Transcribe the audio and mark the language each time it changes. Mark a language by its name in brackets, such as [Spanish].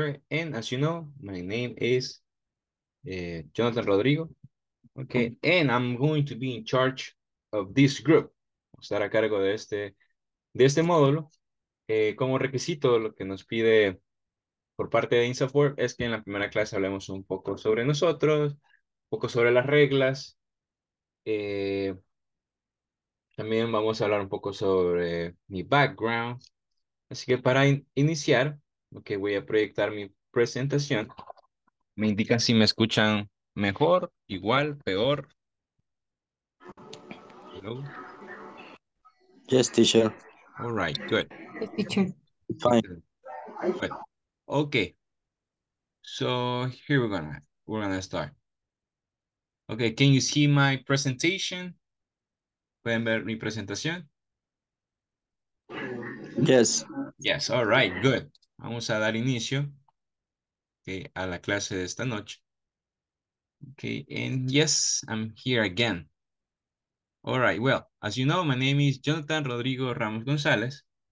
[English] And as you know, my name is Jonathan Rodrigo. Okay, and I'm going to be in charge of this group. [Spanish] Estar a cargo de este módulo. Como requisito, lo que nos pide por parte de INSAFOR es que en la primera clase hablemos un poco sobre nosotros, un poco sobre las reglas. También vamos a hablar un poco sobre mi background. Así que para iniciar, okay, voy a proyectar mi presentación. Me indican si me escuchan mejor, igual, peor. [English] Hello. Yes, teacher. All right, good. Yes, teacher. Fine. Good. Okay. So here we're gonna start. Okay, can you see my presentation? [Spanish] ¿Pueden ver mi presentación? [English] Yes. Yes, all right, good. [Spanish] Vamos a dar inicio okay, a la clase de esta noche. [English] Okay, and yes, I'm here again. All right, well, as you know, my name is Jonathan Rodrigo Ramos González.